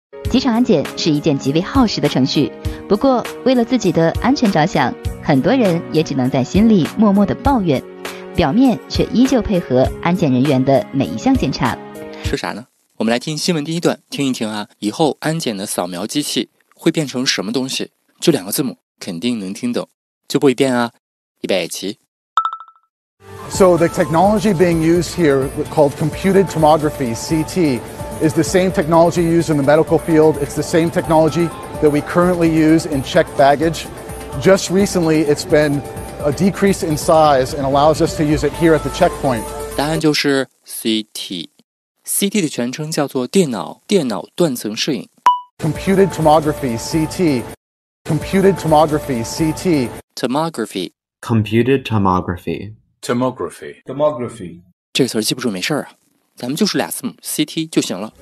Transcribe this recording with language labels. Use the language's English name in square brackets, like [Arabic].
[Chinese] 机场安检是一件极为耗时的程序，不过为了自己的安全着想，很多人也只能在心里默默地抱怨，表面却依旧配合安检人员的每一项检查。说啥呢？我们来听新闻第一段，听一听啊，以后安检的扫描机器会变成什么东西？就两个字母，肯定能听懂。就播一遍啊，预备起。 [English] So the technology being used here, called computed tomography (CT), is the same technology used in the medical field. It's the same technology that we currently use in checked baggage. Just recently, it's been a decrease in size and allows us to use it here at the checkpoint. [Chinese] 答案就是 CT。 CT 的全称叫做电脑断层摄影。 [English] Computed tomography (CT). Computed tomography (CT). Tomography. Computed tomography. Tomography. [Chinese] 这个词儿记不住没事儿啊，咱们就是俩字母 CT 就行了。